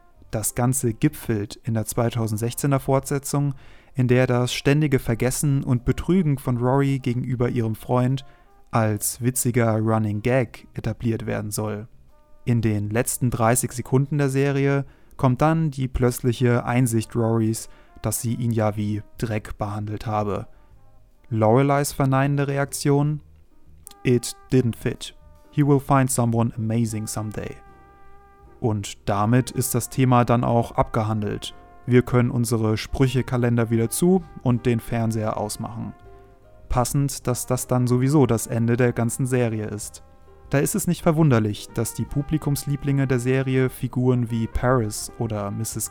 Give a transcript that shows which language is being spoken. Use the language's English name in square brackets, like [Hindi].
[German] Das Ganze gipfelt in der 2016er Fortsetzung, in der das ständige Vergessen und Betrügen von Rory gegenüber ihrem Freund als witziger Running Gag etabliert werden soll. In den letzten 30 Sekunden der Serie kommt dann die plötzliche Einsicht Rorys, dass sie ihn ja wie Dreck behandelt habe. Loreleis verneinende Reaktion? [English] It didn't fit. He will find someone amazing someday. [German] Und damit ist das Thema dann auch abgehandelt. Wir können unsere Sprüchekalender wieder zu und den Fernseher ausmachen. Passend, dass das dann sowieso das Ende der ganzen Serie ist. Da ist es nicht verwunderlich, dass die Publikumslieblinge der Serie Figuren wie Paris oder Mrs.